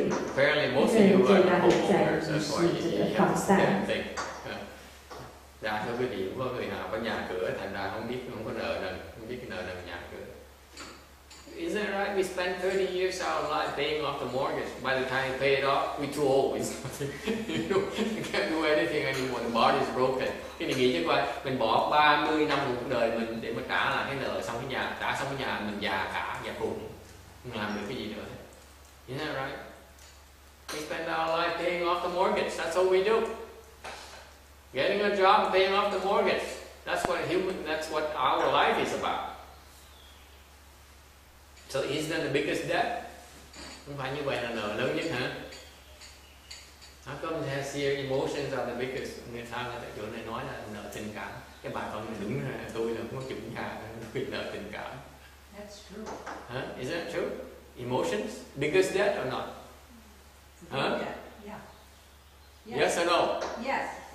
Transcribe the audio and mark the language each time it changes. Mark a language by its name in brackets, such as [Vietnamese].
[English] apparently most of you are the homeowners, that's why you have to think. [Vietnamese] Dạ thưa quý vị, không có người nào có nhà cửa, thành ra không biết, không có nợ nần, không biết nợ nần nhà cửa. [English] Is that right? We spend 30 years of our life paying off the mortgage. By the time we pay it off, we're too old. We can't do anything anymore. The body is broken. [Vietnamese] Cái này nghĩ chứ coi, mình bỏ 30 năm cuộc đời mình để mà trả lại cái nợ xong cái nhà, trả xong cái nhà mình già cả, già phụ. Không làm được cái gì nữa. [English] Isn't that right? We spend our life paying off the mortgage. That's all we do. Getting a job and paying off the mortgage. That's what human. That's what our life is about. So isn't that the biggest debt? [Vietnamese] Không phải như vậy là nợ lớn nhất hả? [English] How come they see your emotions are the biggest? [Vietnamese] Người ta là tại chỗ này nói là nợ tình cảm. Cái bà con này đúng là tôi là không có chủ nhà, tôi nợ tình cảm. [English] That's true. Huh? Isn't that true? Emotions? Biggest debt or not? Huh? Yeah. Yes. Yes or no? Yes.